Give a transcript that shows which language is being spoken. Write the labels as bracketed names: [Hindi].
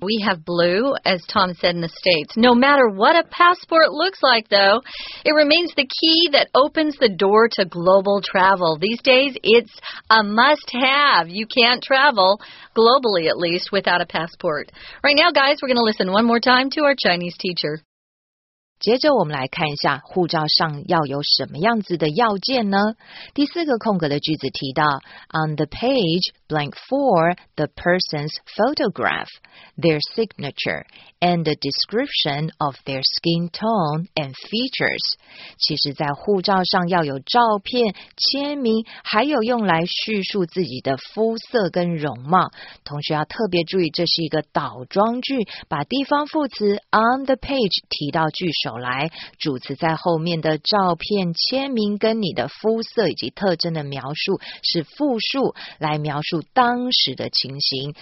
[English] We have blue, as Tom said, in the States. No matter what a passport looks like, though, it remains the key that opens the door to global travel. These days, it's a must-have. You can't travel, globally at least, without a passport. Right now, guys, we're going to listen one more time to our Chinese teacher. [Chinese] 接着我们来看一下护照上要有什么样子的要件呢？第四个空格的句子提到 [English] On the page, blank for the person's photograph, their signature, and a description of their skin tone and features. [Chinese] 其实在护照上要有照片、签名，还有用来叙述自己的肤色跟容貌。同时要特别注意，这是一个倒装句，把地方副词 on the page 提到句首来，主词在后面的照片、签名跟你的肤色以及特征的描述是复数，来描述当时的情形。